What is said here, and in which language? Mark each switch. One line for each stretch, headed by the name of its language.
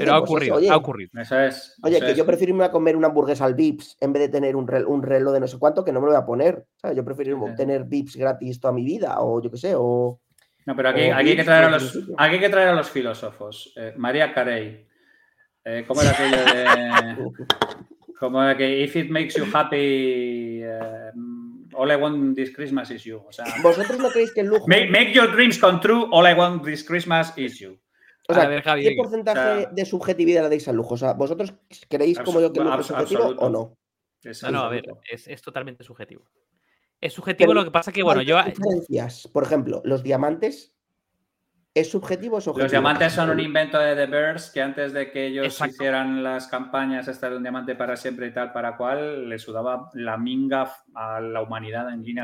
Spanish: Pero ha ocurrido, pues, ha ocurrido. Eso es. Oye, eso que es. Yo prefiero irme a comer una hamburguesa al Vips en vez de tener un reloj de no sé cuánto que no me lo voy a poner. ¿Sabes? Yo prefiero tener Vips gratis toda mi vida o yo qué sé, o... No, pero aquí hay que traer a los filósofos. María Carey. ¿Cómo era aquello de...? Como de que
English: if it makes you happy, all I want this Christmas is you.
Spanish: O sea, ¿vosotros no creéis que el lujo...?
English: Make your dreams come true, all I want this Christmas is you.
Spanish: O sea, ¿qué porcentaje de subjetividad le dais al lujo? O sea, ¿vosotros creéis como yo que el lujo es subjetivo o no? No, a ver, es totalmente subjetivo. Es subjetivo, pero lo que pasa que, bueno, yo... diferencias, por ejemplo, los diamantes, ¿es subjetivo o es objetivo? Los diamantes son un invento de The Birds que antes de que ellos, exacto, hicieran las campañas esta de un diamante para siempre y tal, para cual, le sudaba la minga a la humanidad en línea.